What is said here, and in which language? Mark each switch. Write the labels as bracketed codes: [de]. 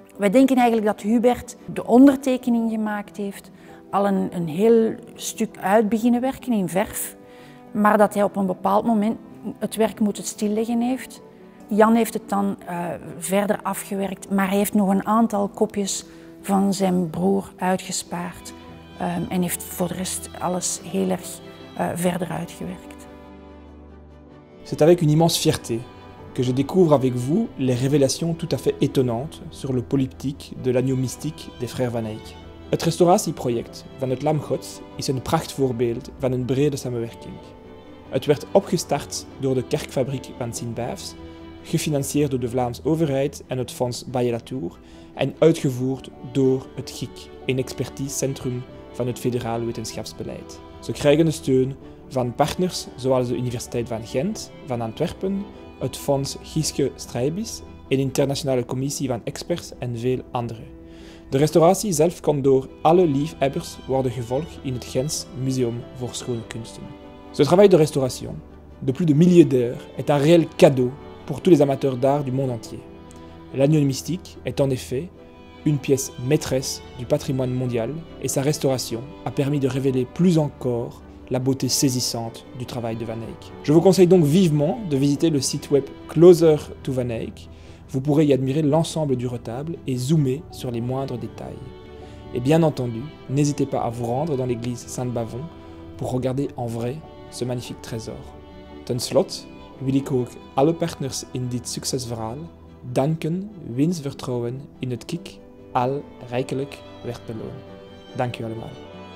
[nl] Wij denken eigenlijk dat Hubert de ondertekening gemaakt heeft, al een heel stuk uit beginnen werken in verf, maar dat hij op een bepaald moment het werk moeten stilleggen heeft. Jan heeft het dan verder afgewerkt, maar hij heeft nog een aantal kopjes van zijn broer uitgespaard en heeft voor de rest alles heel erg verder uitgewerkt. [fr] C'est avec une immense fierté que je découvre avec vous les révélations tout à fait étonnantes sur le polyptyque de l'agneau mystique des frères Van Eyck. [nl] Het restauratieproject van het Lamgods is een prachtvoorbeeld van een brede samenwerking. Het werd opgestart door de kerkfabriek van Sint-Bijfs, gefinancierd door de Vlaamse overheid en het Fonds Baye Latour en uitgevoerd door het GIEK, een expertisecentrum van het federaal wetenschapsbeleid. Ze krijgen de steun van partners zoals de Universiteit van Gent, van Antwerpen, het Fonds Giske Strijbis, een internationale commissie van experts en veel anderen. De restauratie zelf kan door alle liefhebbers worden gevolgd in het Gens Museum voor Schone Kunsten. [fr] Ce travail de restauration, de plus de milliers d'heures, est un réel cadeau pour tous les amateurs d'art du monde entier. L'agneau mystique est en effet une pièce maîtresse du patrimoine mondial et sa restauration a permis de révéler plus encore la beauté saisissante du travail de Van Eyck. Je vous conseille donc vivement de visiter le site web Closer to Van Eyck. Vous pourrez y admirer l'ensemble du retable et zoomer sur les moindres détails. Et bien entendu, n'hésitez pas à vous rendre dans l'église Saint-Bavon pour regarder en vrai ce magnifique trésor. [nl] Ten slotte, wil ik ook alle partners in dit succesverhaal danken wiens vertrouwen in het KIEK al rijkelijk werd beloond. Dank u allemaal.